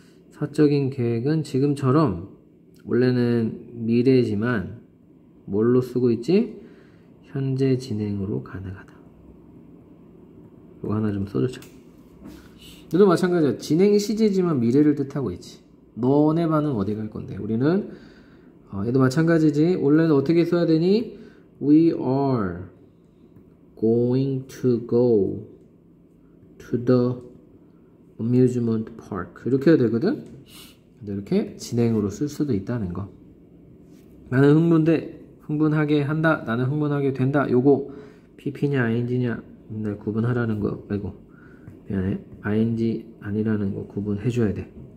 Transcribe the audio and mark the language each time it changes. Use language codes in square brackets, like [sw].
[ko] 사적인 계획은 지금처럼 원래는 미래지만 뭘로 쓰고 있지? 현재 진행으로 가능하다. 이거 하나 좀 써주자. 너도 마찬가지야. 진행 시제지만 미래를 뜻하고 있지. 너네 반은 어디 갈 건데? 우리는 얘도 마찬가지지. 원래는 어떻게 써야 되니? [en] We are going to go to the amusement park. [ko] 이렇게 해야 되거든. 근데 이렇게 진행으로 쓸 수도 있다는 거. 나는 흥분돼. 흥분하게 한다. 나는 흥분하게 된다. 요거 PP냐 ING냐 맨날 구분하라는 거. 아이고 미안해. ING 아니라는 거 구분해줘야 돼.